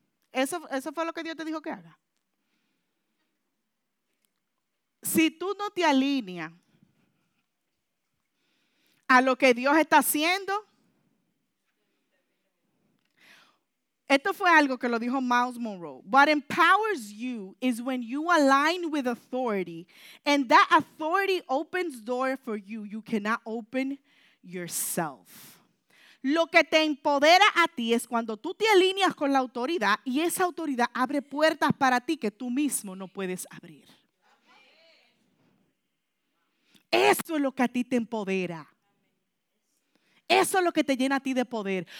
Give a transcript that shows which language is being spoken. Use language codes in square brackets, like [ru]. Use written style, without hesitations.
[es] Eso fue lo que Dios te dijo que haga. Si tú no te alineas a lo que Dios está haciendo. Esto fue algo que lo dijo Miles Monroe. [en] What empowers you is when you align with authority, and that authority opens doors for you. You cannot open yourself. [es] Lo que te empodera a ti es cuando tú te alineas con la autoridad y esa autoridad abre puertas para ti que tú mismo no puedes abrir. Eso es lo que a ti te empodera. Eso es lo que te llena a ti de poder.